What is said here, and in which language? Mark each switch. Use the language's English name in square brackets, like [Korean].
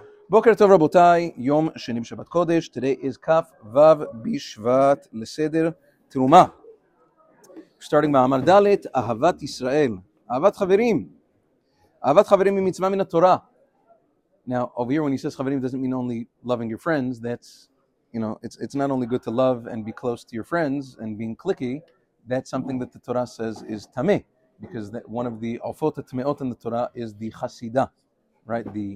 [Hebrew] בוקר טוב רבותיי, יום שני בשבת קודש. [English] Today is Kaf Vav Bishvat [Hebrew] לסדר תרומה. [English] Starting [Hebrew] מאמר דלת, אהבת ישראל, אהבת חברים. אהבת חברים היא מצווה מן התורה. [English] Now, over here when he says חברים, doesn't mean only loving your friends. That's, you know, it's not only good to love and be close to your friends and being clicky. That's something that the Torah says is tameh, because that one of the alfot tameot in the Torah is the chasida, right?